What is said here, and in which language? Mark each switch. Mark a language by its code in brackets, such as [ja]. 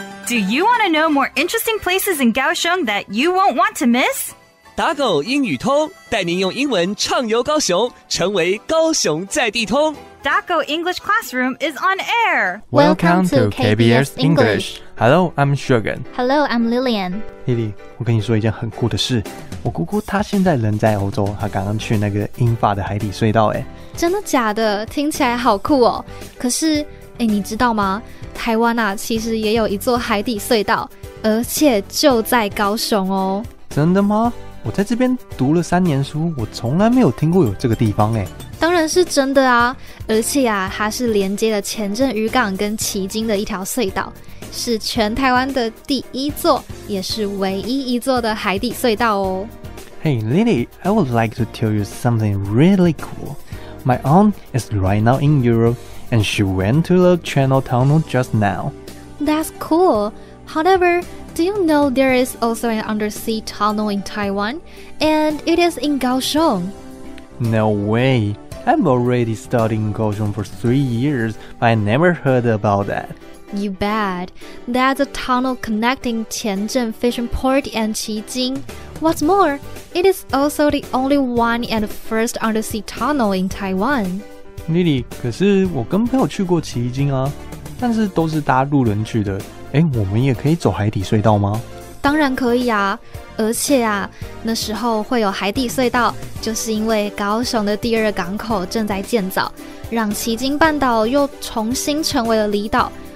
[en] Do you want to know more interesting places in Kaohsiung that you won't want to miss? [zh] 打狗英语通，带您用英文畅游高雄，成为高雄在地通。 [en] Daco English Classroom is on air. Welcome to KBS English. Hello, I'm Shogun. Hello, I'm Lillian. [zh] Lily, 我跟你说一件很酷的事。我姑姑她现在人在欧洲，她刚刚去那个英法的海底隧道。真的假的？听起来好酷哦。可是，你知道吗？台湾啊，其实也有一座海底隧道，而且就在高雄哦。真的吗？我在这边读了三年书，我从来没有听过有这个地方。当然是真的啊，而且啊，它是连接了前镇渔港跟旗津的一条隧道，是全台湾的第一座，也是唯一一座的海底隧道哦。 [en] Hey Lily, I would like to tell you something really cool. My aunt is right now in Europe, and she went to the Channel Tunnel just now. That's cool. However, do you know there is also an undersea tunnel in Taiwan, and it is in Kaohsiung? No way. I'm already studying in Kaohsiung for 3 years, but I never heard about that. You bet. That's a tunnel connecting Tianjin Fishing Port and Qijing. What's more, it is also the only one and first undersea tunnel in Taiwan. [zh] Lily, 可是我跟朋友去过旗津啊，但是都是搭陆轮去的。我们也可以走海底隧道吗？当然可以啊，而且啊，那时候会有海底隧道，就是因为高雄的第二港口正在建造，让旗津半岛又重新成为了离岛。